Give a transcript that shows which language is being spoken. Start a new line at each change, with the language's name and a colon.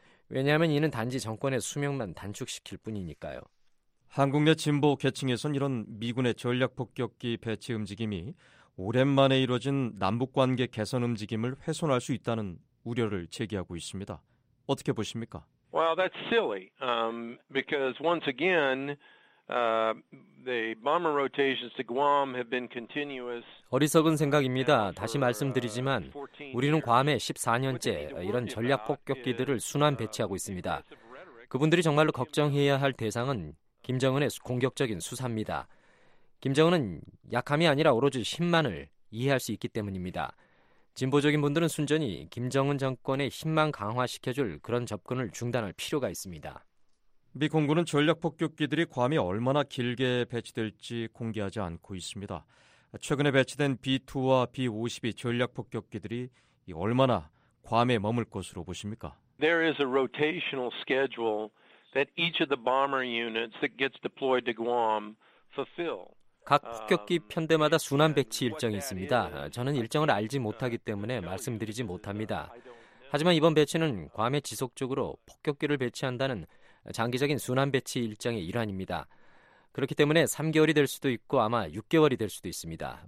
Korean: 왜냐하면 이는 단지 정권의 수명만 단축시킬 뿐이니까요. 한국 내 진보 계층에선 이런 미군의 전략폭격기 배치 움직임이 오랜만에 이뤄진 남북관계 개선 움직임을 훼손할 수 있다는 우려를 제기하고 있습니다. 어떻게 보십니까?
English: Well, that's silly. Because once again, the bomber rotations to Guam have been continuous.
Korean: 어리석은 생각입니다. 다시 말씀드리지만 우리는 괌에 14년째 이런 전략 폭격기들을 순환 배치하고 있습니다. 그분들이 정말로 걱정해야 할 대상은 김정은의 공격적인 수사입니다. 김정은은 약함이 아니라 오로지 힘만을 이해할 수 있기 때문입니다. 진보적인 분들은 순전히 김정은 정권의 힘만 강화시켜줄 그런 접근을 중단할 필요가 있습니다. 미 공군은 전략폭격기들이 괌이 얼마나 길게 배치될지 공개하지 않고 있습니다. 최근에 배치된 B-2와 B-52 전략폭격기들이 얼마나 괌에 머물 것으로 보십니까?
English: There is a rotational schedule that each of the bomber units that gets deployed to Guam fulfill.
Korean: 각 폭격기 편대마다 순환 배치 일정이 있습니다. 저는 일정을 알지 못하기 때문에 말씀드리지 못합니다. 하지만 이번 배치는 괌에 지속적으로 폭격기를 배치한다는 장기적인 순환 배치 일정의 일환입니다. 그렇기 때문에 3개월이 될 수도 있고 아마 6개월이 될 수도 있습니다.